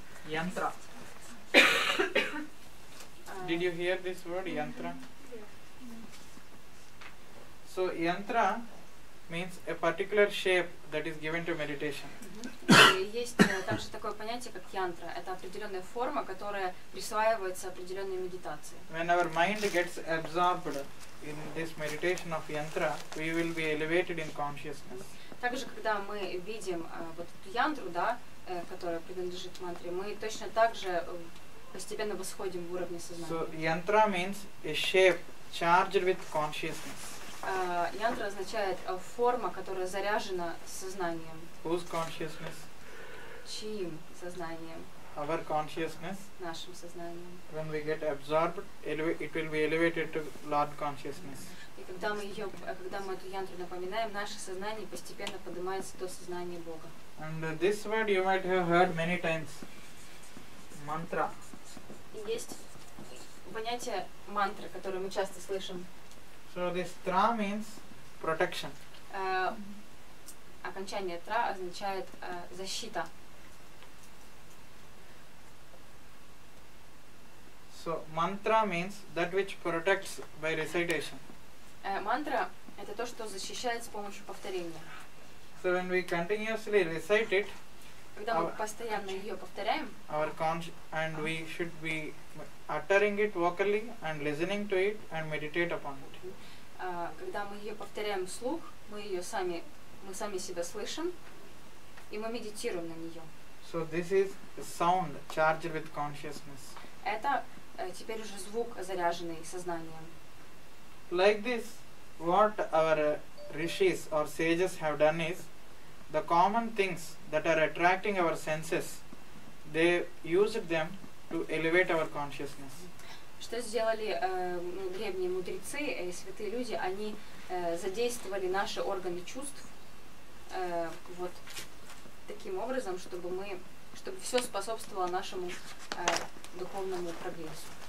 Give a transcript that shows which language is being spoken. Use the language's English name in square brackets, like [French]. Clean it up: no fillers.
[English] Yantra. Did you hear this word, yantra? Yeah. So yantra means a particular shape that is given to meditation. [Russian] Есть также такое понятие как янтра. Это определенная форма, которая присваивается определенной медитации. [English] When our mind gets absorbed in this meditation of yantra, we will be elevated in consciousness. [Russian] Также когда мы видим вот эту янтру, да, которая принадлежит мантре, мы точно также постепенно восходим в уровне сознания. [English] So yantra means a shape charged with consciousness. [Russian] Янтра означает форма, которая заряжена сознанием. [English] Whose consciousness? [Russian] Чьим сознанием? [English] Our consciousness. [Russian] Нашим сознанием. [English] When we get absorbed, it will be elevated to Lord consciousness. [Russian] И когда мы эту янтру напоминаем, наше сознание постепенно поднимается до сознания Бога. [English] And this word you might have heard many times. [Russian] Мантра. Есть понятие мантра, которое мы часто слышим. [English] So this tra means protection. [Russian] Окончание tra означает защита. [English] So mantra means that which protects by recitation. [Russian] Мантра это то, что защищает с помощью повторения. [English] So when we continuously recite it, [Russian] когда мы постоянно ее повторяем, [English] we should be uttering it vocally and listening to it and meditate upon it. [Russian] Когда мы ее повторяем вслух, мы сами себя слышим, и мы медитируем на нее. [English] So this is sound charged with consciousness. [Russian] Это теперь уже звук, заряженный сознанием. [English] Like this, what our rishis or sages have done is, the common things that are attracting our senses, they used them to elevate our consciousness. [Russian] Что сделали древние мудрецы и святые люди? Они задействовали наши органы чувств вот таким образом, чтобы все способствовало нашему духовному прогрессу.